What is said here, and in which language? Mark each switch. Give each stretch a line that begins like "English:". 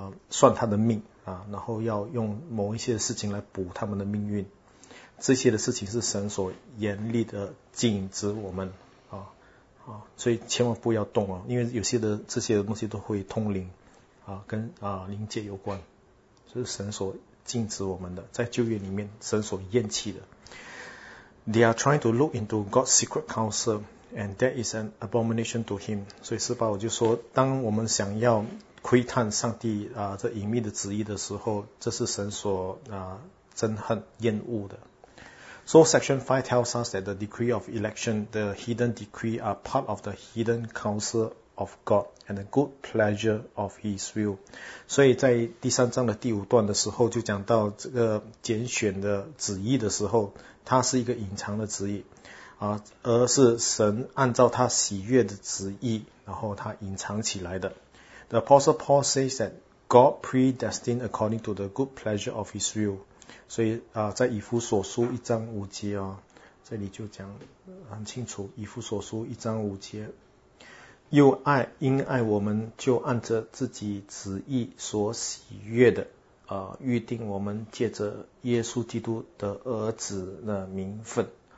Chinese: 算他的命啊，然后要用某一些事情来补他们的命运，这些的事情是神所严厉的禁止我们啊，所以千万不要动啊，因为有些的这些东西都会通灵啊，跟灵界有关，这是神所禁止我们的，在旧约里面神所厌弃的。
English: They are trying to look into God's secret counsel, and that is an abomination to Him.
Chinese: 所以四八五就说，当我们想要窥探上帝这隐秘的旨意的时候，这是神所憎恨厌恶的。
English: So section 5 tells us that the decree of election, the hidden decree are part of the hidden counsel of God and the good pleasure of His will.
Chinese: 所以在第三章的第五段的时候就讲到这个拣选的旨意的时候，它是一个隐藏的旨意而是神按照他喜悦的旨意然后他隐藏起来的。
English: The Apostle Paul says that God predestined according to the good pleasure of His will.
Chinese: 所以在以弗所书一章五节这里就讲很清楚，以弗所书一章五节，又爱因爱我们，就按着自己旨意所喜悦的预定我们借着耶稣基督的儿子的名分。